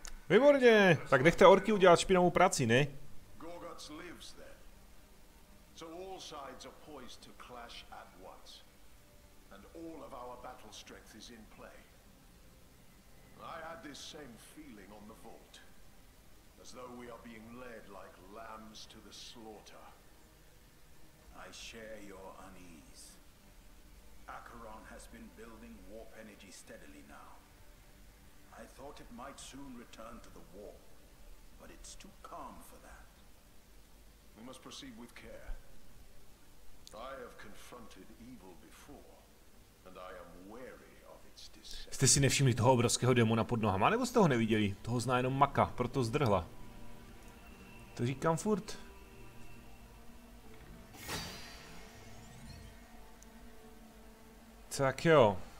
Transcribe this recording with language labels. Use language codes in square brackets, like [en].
[cs] Výborně, tak nechte orky udělat špinavou práci, ne? [en] Gorgots lives then. So all sides are poised to clash at once. And all of our battle strength is in play. I had this same feeling on the vault. As though we are being led like lambs to the slaughter. I share your unease. Acheron has been building warp energy steadily now. I thought it might soon return to the war, but it's too calm for that. We must proceed with care. I have confronted evil before, and I am wary of its deception. [cs] Jste si nevšimli toho obrovského démona pod nohama, nebo jste ho neviděli? Toho zná jenom Maka, proto zdrhla. To říkám furt. Tak jo.